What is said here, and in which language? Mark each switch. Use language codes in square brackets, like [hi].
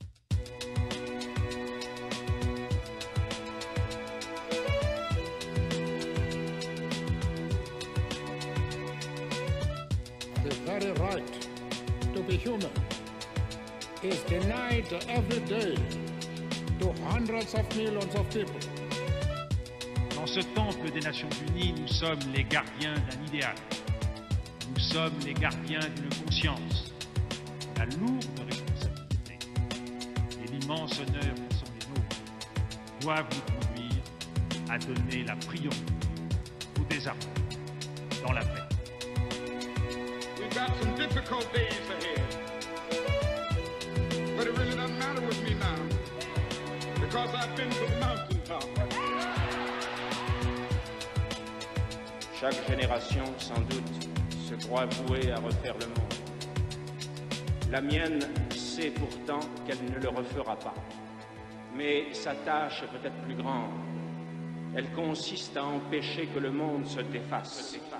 [en] The very right to be human is denied every day to hundreds of millions of people. [fr] Dans ce temple des Nations Unies, nous sommes les gardiens d'un idéal. Nous sommes les gardiens d'une conscience, la lourde responsabilité et l'immense honneur qui sont les nôtres doivent nous conduire à donner la priorité au désarroi dans la paix. [en] We've got some difficult days ahead, but it really doesn't matter with me now, because I've been to the mountaintop. [fr] Chaque génération, sans doute, se croit vouée à refaire le monde. La mienne sait pourtant qu'elle ne le refera pas. Mais sa tâche est peut-être plus grande. Elle consiste à empêcher que le monde se défasse.